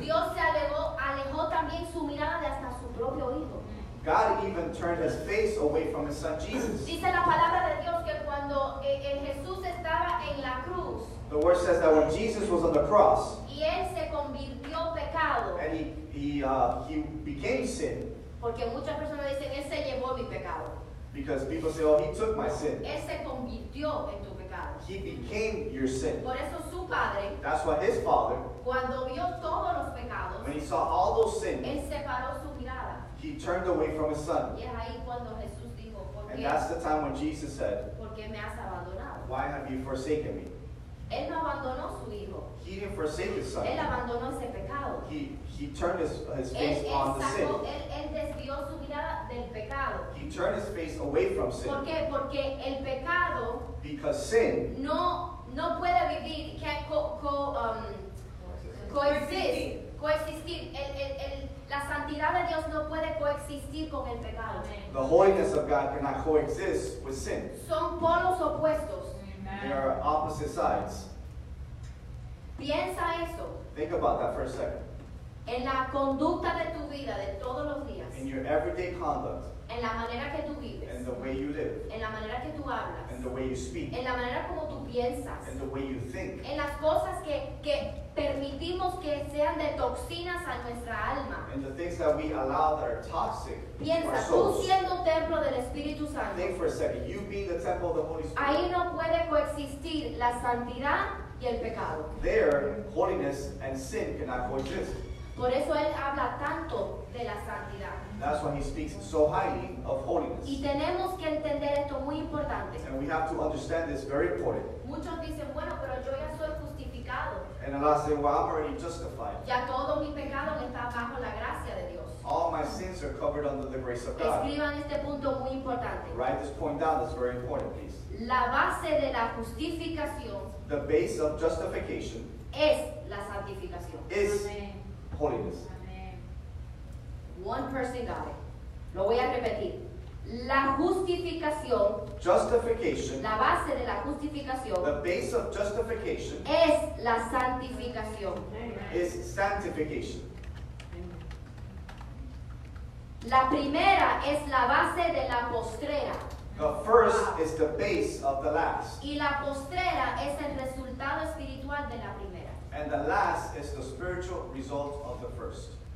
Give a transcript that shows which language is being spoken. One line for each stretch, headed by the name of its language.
Spanish: Dios se alejó también su mirada de hasta su propio hijo.
English: God even turned his face away from his son Jesus.
Spanish: Dice la palabra de Dios que cuando Jesús estaba en la cruz,
English: the word says that when Jesus was on the cross,
Spanish: y él se convirtió pecado,
English: and he became sin.
Spanish: Porque muchas personas dicen, él se llevó mi pecado.
English: Because people say, oh, he took my sin.
Spanish: Él se convirtió en tu pecado.
English: He became your sin.
Spanish: Por eso su padre,
English: that's why his father,
Spanish: cuando vio todos los pecados,
English: when he saw all those sins,
Spanish: él separó su mirada.
English: He turned away from his son.
Spanish: Y ahí cuando Jesús dijo, ¿por qué?
English: And that's the time when Jesus said,
Spanish: ¿por qué me has abandonado?
English: Why have you forsaken me?
Spanish: Él no abandonó su hijo.
English: He didn't forsake his son.
Spanish: Él abandonó ese pecado.
English: He turned his face
Spanish: él
English: on the sin.
Spanish: Él desvió su mirada del pecado.
English: He turned his face away from sin.
Spanish: ¿Por qué? Porque el pecado,
English: because sin,
Spanish: no puede vivir,
English: can't
Spanish: coexistir. La santidad de Dios no puede coexistir con el pecado.
English: Amen. The holiness of God cannot coexist with sin.
Spanish: Son polos opuestos.
English: They are opposite sides.
Spanish: Piensa eso.
English: Think about that for a second.
Spanish: En la conducta de tu vida de todos los días.
English: In your everyday conduct.
Spanish: En la manera que tú vives.
English: In the way you live.
Spanish: En la manera que tú hablas.
English: In the way you speak.
Spanish: En la manera como tú piensas.
English: In the way you think.
Spanish: En las cosas que permitimos que sean de toxinas a nuestra alma.
English: In the things that we allow that are toxic.
Spanish: Piensa,
English: to our souls.
Spanish: Tú siendo templo del Espíritu Santo.
English: Think for a second. You being the temple of the Holy Spirit.
Spanish: Ahí no puede coexistir la santidad y el pecado.
English: There, holiness and sin cannot coexist.
Spanish: Por eso él habla tanto de la santidad.
English: That's why he speaks so highly of holiness.
Spanish: Y tenemos que entender esto muy importante.
English: And we have to understand this very important.
Spanish: Muchos dicen, bueno, pero yo ya soy justificado.
English: And a lot say, well, I'm already justified.
Spanish: Ya todo mi pecado está bajo la gracia de Dios.
English: All my sins are covered under the grace of God.
Spanish: Escriban este punto muy importante.
English: Write this point down. That's very important, please.
Spanish: La base de la justificación.
English: The base of justification.
Spanish: Es la santificación.
English: Is holiness. Amen. One person got it.
Spanish: Lo voy a repetir. La justificación.
English: Justification.
Spanish: La base de la justificación.
English: The base of justification.
Spanish: Es la santificación.
English: Amen. Is sanctification. Amen.
Spanish: La primera es la base de la postrera.
English: The first is the base of the last.
Spanish: Y la postrera es el resultado espiritual de la primera.
English: And the last is the spiritual result of the first.